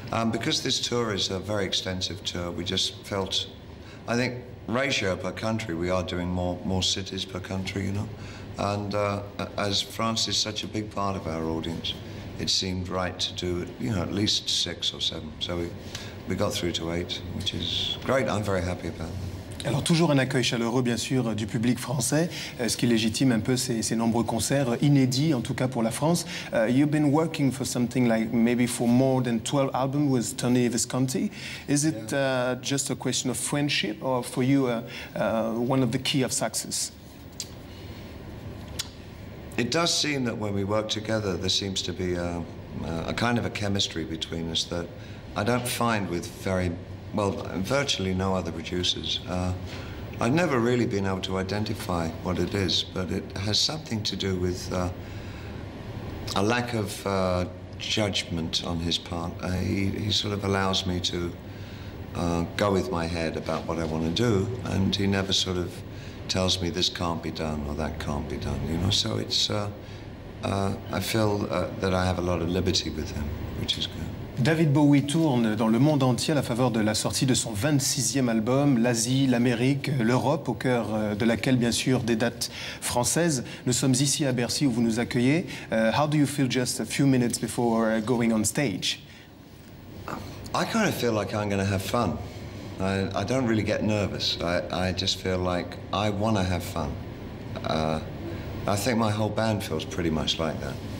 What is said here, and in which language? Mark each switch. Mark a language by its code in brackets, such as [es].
[en] Because this tour is a very extensive tour, we just felt, I think, ratio per country, we are doing more cities per country, you know? And as France is such a big part of our audience, it seemed right to do, you know, at least 6 or 7. So we got through to 8, which is great. I'm very happy about that. [fr] Alors, toujours un accueil chaleureux, bien sûr, du public français, ce qui légitime un peu ces nombreux concerts inédits, en tout cas pour la France. [en] You've been working for something like maybe for more than 12 albums with Tony Visconti. Is it just a question of friendship or for you one of the key of success? It does seem that when we work together, there seems to be a kind of a chemistry between us that I don't find with virtually no other producers. I've never really been able to identify what it is, but it has something to do with a lack of judgment on his part. He sort of allows me to go with my head about what I want to do, and he never sort of tells me this can't be done or that can't be done, you know? So it's, I feel that I have a lot of liberty with him, which is good. [fr] David Bowie tourne dans le monde entier à la faveur de la sortie de son 26e album, l'Asie, l'Amérique, l'Europe, au cœur de laquelle, bien sûr, des dates françaises. Nous sommes ici à Bercy où vous nous accueillez. [en] How do you feel just a few minutes before going on stage? I kind of feel like I'm going to have fun. I don't really get nervous. I just feel like I want to have fun. I think my whole band feels pretty much like that.